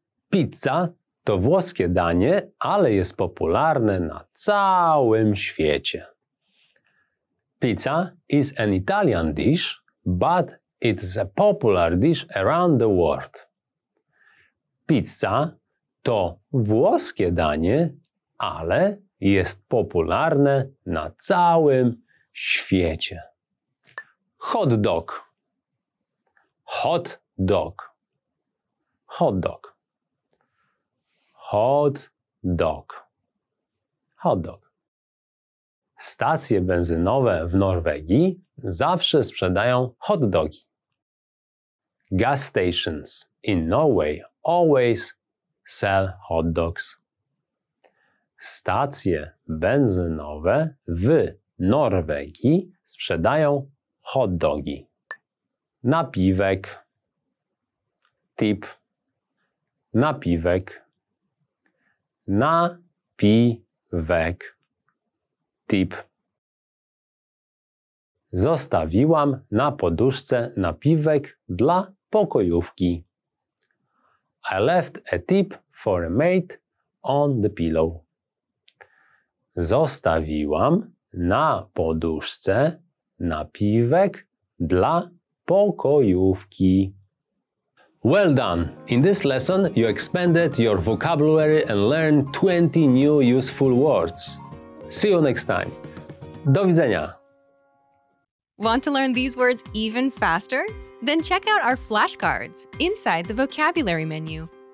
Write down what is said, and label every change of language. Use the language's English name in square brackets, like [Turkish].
[Polish] Pizza to włoskie danie, ale jest popularne na całym świecie. [English] Pizza is an Italian dish, but it's a popular dish around the world. [Polish] Pizza to włoskie danie, ale jest popularne na całym świecie. Hot dog. [English] Hot dog. Hot dog. Hot dog. Hot dog. [Polish] Stacje benzynowe w Norwegii zawsze sprzedają hot dogi. [English] Gas stations in Norway always sell hot dogs. [Polish] Stacje benzynowe w Norwegii sprzedają hot dogi. Napiwek. Tip. Napiwek. Napiwek. Tip. Zostawiłam na poduszce napiwek dla pokojówki. [English] I left a tip for a mate on the pillow. [Polish] Zostawiłam na poduszce napiwek dla pokojówki. [English] Well done! In this lesson, you expanded your vocabulary and learned 20 new useful words. See you next time. [Polish] Do widzenia! [English] Want to learn these words even faster? Then check out our flashcards inside the vocabulary menu.